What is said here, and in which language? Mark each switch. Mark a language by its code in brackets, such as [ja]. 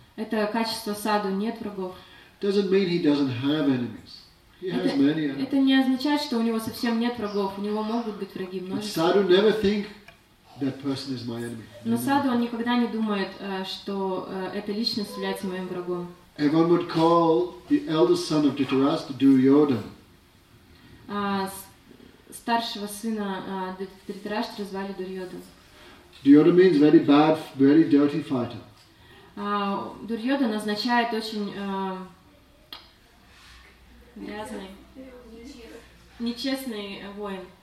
[ru] Это качество саду, нет врагов. [en] Doesn't mean he doesn't have enemies. He has many enemies. [ru] Это не означает, что у него совсем нет врагов. У него могут быть враги, множество. [en] But sadhu never think. That person is my enemy. [ru] Но саду он никогда не думает, что эта личность является моим врагом. [en] Everyone would call the eldest son of Dhritarashtra Duryodhan. [ru] Старшего сына Дхритарашты звали Дурьодан. [en] Duryodhan means very bad, very dirty fighter. [ru] Дурьодан означает очень грязный, нечестный воин.